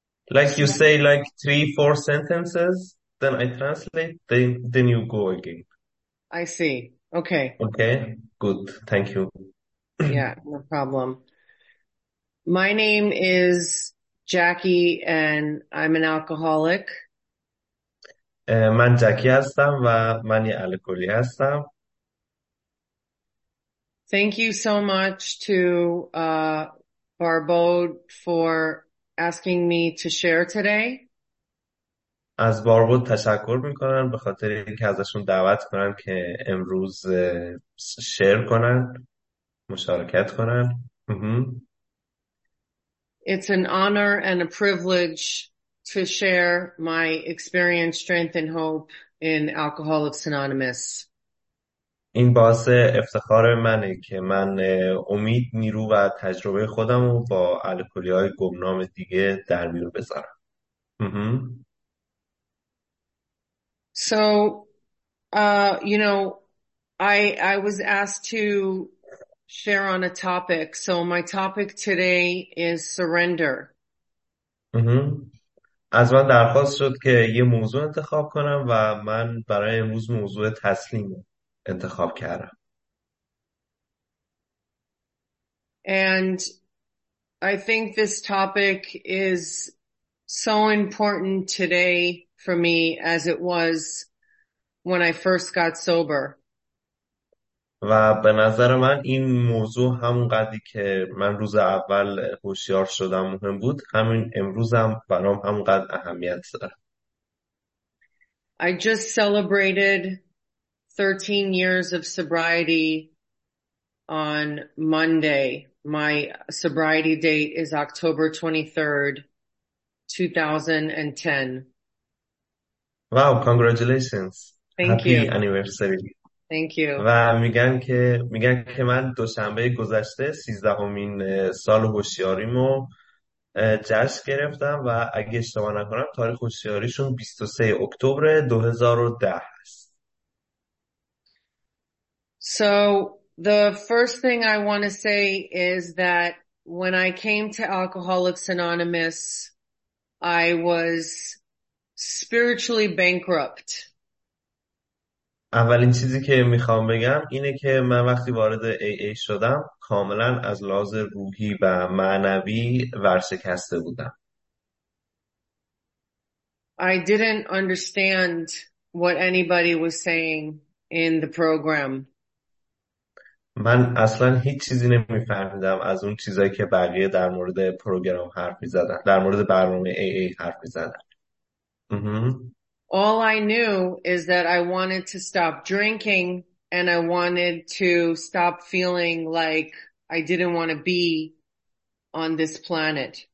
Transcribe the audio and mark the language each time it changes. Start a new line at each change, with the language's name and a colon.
English: Like you say like 3-4 sentences, then I translate, then you go again. I see. Okay. Okay, good. Thank you. Yeah, no problem. My name is Jackie and I'm an alcoholic.
Persian: من جکی هستم و من یه الکلی هستم.
English: Thank you so much to Barbod for asking me to share today.
Persian: از باربود تشکر میکنم به خاطر اینکه ازشون دعوت کنن که امروز شیر کنن، مشارکت کنن.
English: It's an honor and a privilege to share my experience, strength, and hope in Alcoholics Anonymous.
Persian: این باعث افتخار منه که من امید، نیرو و تجربه خودم رو با الکلی های گمنام دیگه در میون بذارم.
English: So, you know, I was asked to share on a topic. So my topic today is surrender.
Persian: از من درخواست شد که یه موضوع انتخاب کنم و من برای امروز موضوع تسلیم انتخاب کردم.
English: And I think this topic is so important today for me as it was when I first got sober.
Persian: و به نظر من این موضوع همونقدری که من روز اول هوشیار شدم مهم بود، همین امروزم برام همونقدر اهمیت داره.
English: I just celebrated 13 years of sobriety on Monday. My sobriety date is October 23rd, 2010. Wow, congratulations. Thank Happy you. anniversary. Thank you.
Persian: و میگن که من دوشنبه گذشته 13مین سال هوشیاریمو جشن گرفتم و اگه اشتباه نکنم تاریخ هوشیاریشون 23 اکتبر 2010 است.
English: So the first thing I want to say is that when I came to Alcoholics Anonymous, I was spiritually bankrupt.
Persian: اولین چیزی که میخوام بگم اینه که من وقتی وارد AA شدم کاملا از لحاظ روحی و معنوی ورشکسته بودم.
English: I didn't understand what anybody was saying in the program.
Persian: من اصلا هیچ چیزی نمیفهمیدم از اون چیزایی که بقیه در مورد پروگرام حرف میزدن، در مورد برنامه AA حرف میزدن.
English: All I knew is that I wanted to stop drinking and I wanted to stop feeling like I didn't want to be on this planet.